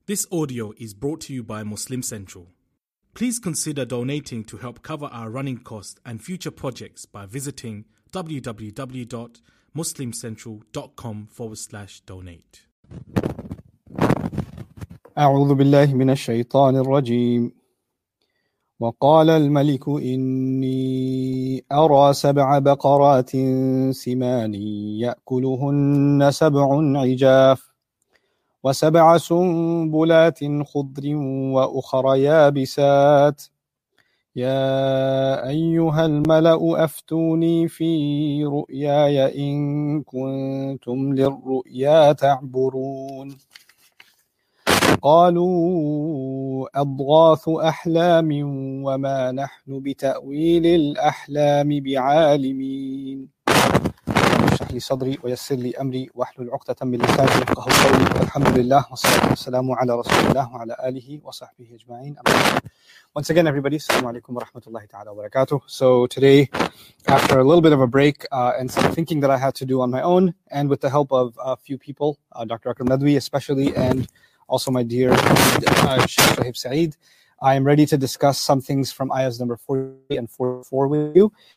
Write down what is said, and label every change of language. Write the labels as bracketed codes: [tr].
[en] This audio is brought to you by Muslim Central. Please consider donating to help cover our running costs and future projects by visiting www.muslimcentral.com/donate. [ar] أعوذ بالله من الشيطان الرجيم. وقال الملك إني أرى سبع بقرات سمان يأكلهن سبع عجاف وسبع سنبلات خضر وأخر يابسات يا أيها الملأ أفتوني في رؤياي إن كنتم للرؤيا تعبرون قالوا أضغاث أحلام وما نحن بتأويل الأحلام بعالمين اشرح لي صدري ويسر لي امري واحلل عقدة من لساني يفقهوا قولي والحمد لله والصلاة والسلام على رسول الله وعلى آله وصحبه اجمعين [en] Once again, everybody, [ar] assalamu alaikum wa rahmatullahi ta'ala wa barakatuh. [en] So today, after a little bit of a break and some thinking that I had to do on my own and with the help of a few people, Dr. Akram Nadwi especially, and also my dear Sheikh Shahib Saeed, I am ready to discuss some things from ayahs number 40 and 44 with you.